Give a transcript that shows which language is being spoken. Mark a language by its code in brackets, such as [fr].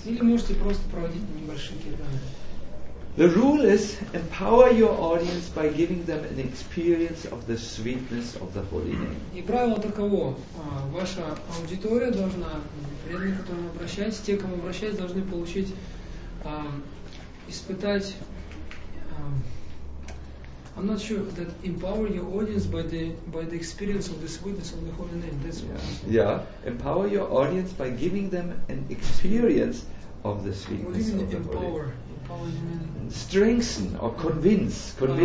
[ru] Или можете просто проводить небольшие киртаны. [en] The rule is empower your audience by giving them an experience of the sweetness of the holy name. [ru] И правило таково: ваша аудитория должна, преданные, к которым обращаетесь, те, к кому обращаетесь, должны получить, испытать. [en] I'm not sure that empower your audience by the experience of the sweetness of the holy name. That's yeah. Yeah. Empower your audience by giving them an experience of the sweetness of the empower. Holy name. Strengthen or convince.